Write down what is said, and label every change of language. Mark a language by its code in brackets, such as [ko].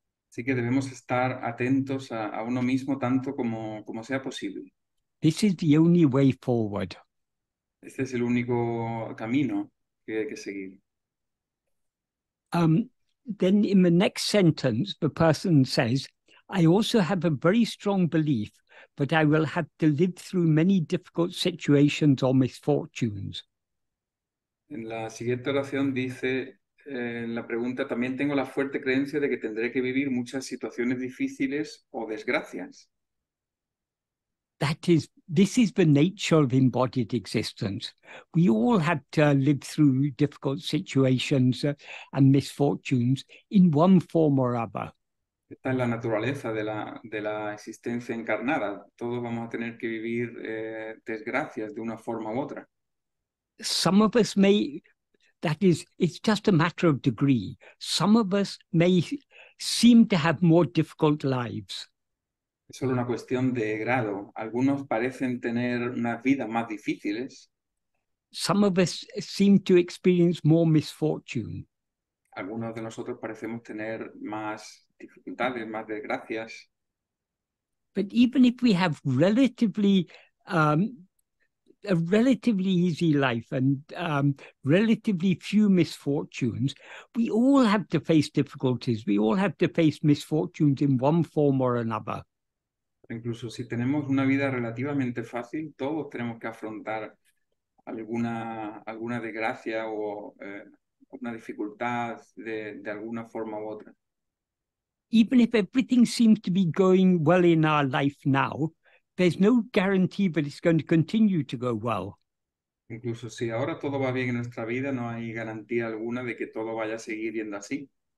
[es] Así que debemos estar atentos a uno mismo tanto como sea posible. [en] This is the only way forward. [es] Este es el único camino que hay que seguir. [en] then in the next sentence, the person says, I also have a very strong belief that I will have to live through many difficult situations or misfortunes. [es] En la siguiente oración dice, en la pregunta, también tengo la fuerte creencia de que tendré que vivir muchas situaciones difíciles o desgracias. [en] This is the nature of embodied existence. We all have to live through difficult situations and misfortunes in one form or other. [es] Esta es la naturaleza de la existencia encarnada. Todos vamos a tener que vivir desgracias de una forma u otra. [en] Some of us may, that is, it's just a matter of degree. Some of us may seem to have more difficult lives. [es] Es solo una cuestión de grado. Algunos parecen tener unas vidas más difíciles. [en] Some of us seem to experience more misfortune. [es] Algunos de nosotros parecemos tener más dificultades, más desgracias. [en] But even if we have relatively easy life and relatively few misfortunes, we all have to face difficulties. We all have to face misfortunes in one form or another. [es] Incluso si tenemos una vida relativamente fácil, todos tenemos que afrontar alguna desgracia o una dificultad de alguna forma u otra. [en] Even if everything seems to be going well in our life now, there's no guarantee that it's going to continue to go well. [es] Incluso si ahora todo va bien en nuestra vida, no hay garantía alguna de que todo vaya a seguir yendo así.